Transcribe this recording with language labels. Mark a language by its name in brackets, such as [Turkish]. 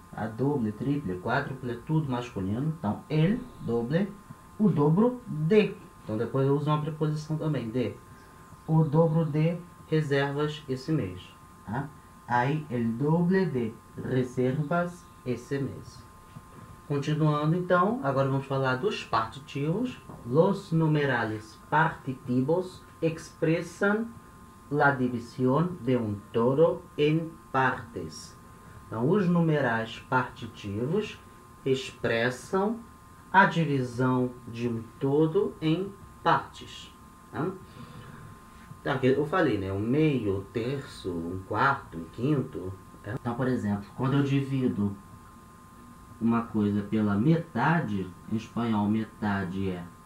[Portuguese] A doble, triple, quádruple, tudo masculino. Então, [Spanish] el doble, [Portuguese] o dobro de. Então, depois eu uso uma preposição também, de. O dobro de reservas esse mês, tá? Aí, [Spanish] el doble de reservas [Portuguese] esse mês. Continuando, então, agora vamos falar dos partitivos. [Spanish] Los numerales partitivos expressan la división de un todo en partes. [Portuguese] Então, os numerais partitivos expressam a divisão de um todo em partes, tá? Eu falei, né? Um meio, um terço, um quarto, um quinto. É. Então, por exemplo, quando eu divido uma coisa pela metade, em espanhol, metade é